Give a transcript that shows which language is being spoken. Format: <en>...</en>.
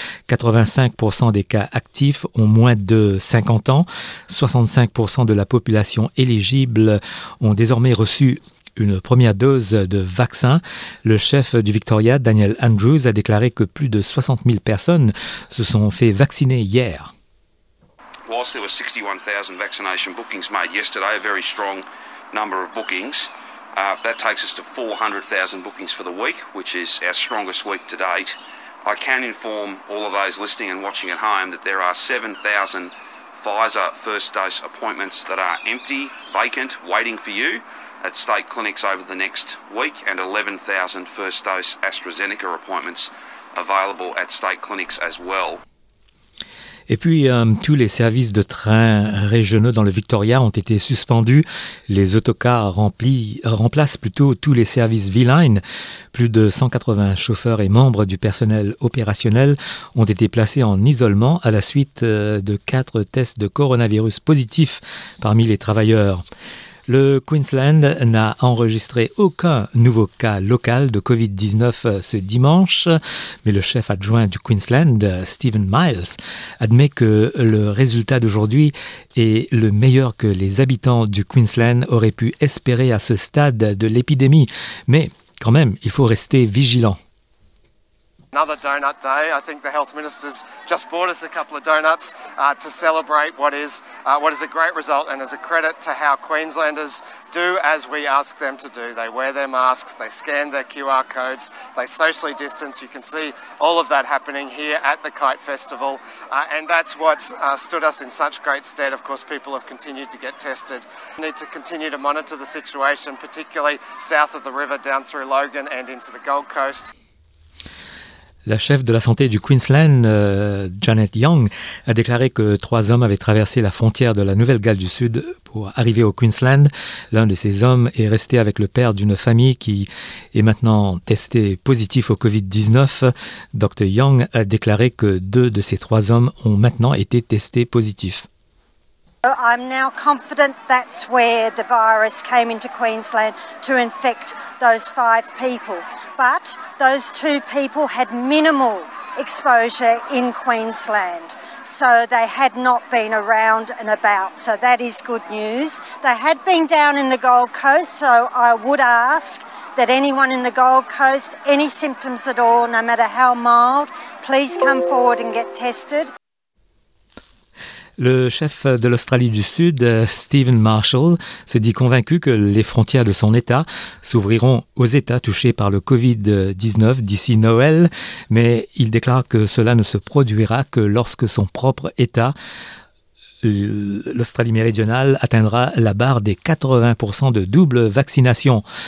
<fr>85% des cas actifs ont moins de 50 ans. 65% de la population éligible ont désormais reçu une première dose de vaccin. Le chef du Victoria, Daniel Andrews, a déclaré que plus de 60 000 personnes se sont fait vacciner hier.</fr> <en>Whilst there were 61,000 vaccination bookings made yesterday, a very strong number of bookings, that takes us to 400,000 bookings for the week, which is our strongest week to date. I can inform all of those listening and watching at home that there are 7,000 Pfizer first dose appointments that are empty, vacant, waiting for you at state clinics over the next week, and 11,000 first dose AstraZeneca appointments available at state clinics as well.</en> <fr>Et puis, tous les services de trains régionaux dans le Victoria ont été suspendus. Les autocars remplacent plutôt tous les services V-Line. Plus de 180 chauffeurs et membres du personnel opérationnel ont été placés en isolement à la suite de 4 tests de coronavirus positifs parmi les travailleurs. Le Queensland n'a enregistré aucun nouveau cas local de Covid-19 ce dimanche, mais le chef adjoint du Queensland, Stephen Miles, admet que le résultat d'aujourd'hui est le meilleur que les habitants du Queensland auraient pu espérer à ce stade de l'épidémie. Mais quand même, il faut rester vigilant.</fr> <en>another donut day. I think the health minister's just bought us a couple of donuts to celebrate what is a great result and is a credit to how Queenslanders do as we ask them to do. They wear their masks, they scan their QR codes, they socially distance. You can see all of that happening here at the Kite Festival. And that's what's stood us in such great stead. Of course, people have continued to get tested. We need to continue to monitor the situation, particularly south of the river down through Logan and into the Gold Coast.</en> <fr>La chef de la santé du Queensland, Janet Young, a déclaré que trois hommes avaient traversé la frontière de la Nouvelle-Galles du Sud pour arriver au Queensland. L'un de ces hommes est resté avec le père d'une famille qui est maintenant testé positif au Covid-19. Dr Young a déclaré que deux de ces trois hommes ont maintenant été testés positifs.</fr> <en>I'm now confident that's where the virus came into Queensland to infect those five people. But those two people had minimal exposure in Queensland. So they had not been around and about. So that is good news. They had been down in the Gold Coast, so I would ask that anyone in the Gold Coast, any symptoms at all, no matter how mild, please come forward and get tested.</en> <fr>Le chef de l'Australie du Sud, Stephen Marshall, se dit convaincu que les frontières de son État s'ouvriront aux États touchés par le Covid-19 d'ici Noël, mais il déclare que cela ne se produira que lorsque son propre État, l'Australie méridionale, atteindra la barre des 80% de double vaccination.</fr>